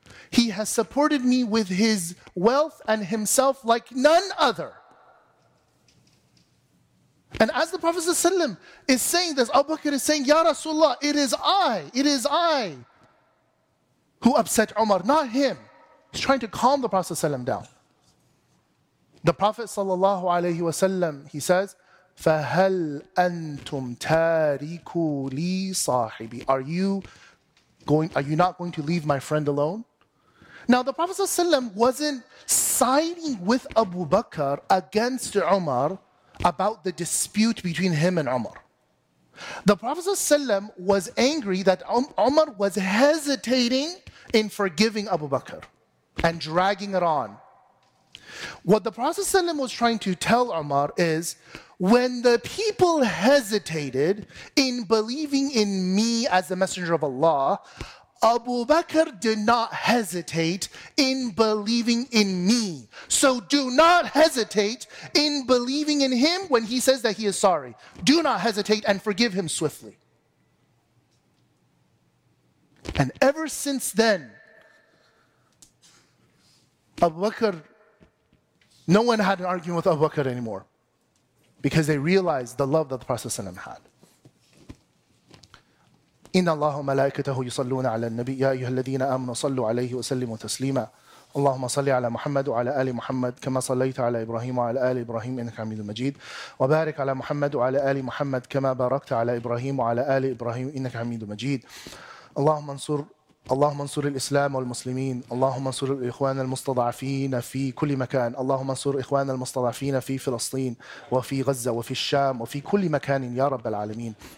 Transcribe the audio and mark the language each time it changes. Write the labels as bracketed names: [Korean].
[English] He has supported me with his wealth and himself like none other. And as the Prophet ﷺ is saying this, Abu Bakr is saying, Ya Rasulullah, it is I who upset Umar, not him. He's trying to calm the Prophet ﷺ down. The Prophet ﷺ, he says, فَهَلْ أَنْتُمْ تَارِكُوا لِي صَاحِبِي. Are you not going to leave my friend alone? Now the Prophet ﷺ wasn't siding with Abu Bakr against Umar about the dispute between him and Umar. The Prophet ﷺ was angry that Umar was hesitating in forgiving Abu Bakr and dragging it on. What the Prophet ﷺ was trying to tell Umar is, when the people hesitated in believing in me as the Messenger of Allah, Abu Bakr did not hesitate in believing in me. So do not hesitate in believing in him when he says that he is sorry. Do not hesitate and forgive him swiftly. And ever since then, Abu Bakr, no one had an argument with Abu Bakr anymore, because they realized the love that the Prophet ﷺ had. [Arabic] إن الله ملائكته يصلون على النبي يا أيها الذين آمنوا صلوا عليه وسلموا تسليما اللهم صل على محمد وعلى آل محمد كما صليت على إبراهيم وعلى آل إبراهيم إنك حميد مجيد وبارك على محمد وعلى آل محمد كما باركت على إبراهيم وعلى آل إبراهيم إنك حميد مجيد اللهم انصر الإسلام والمسلمين اللهم انصر الإخوان المستضعفين في كل مكان اللهم انصر إخوان المستضعفين في فلسطين وفي غزة وفي الشام وفي كل مكان يا رب العالمين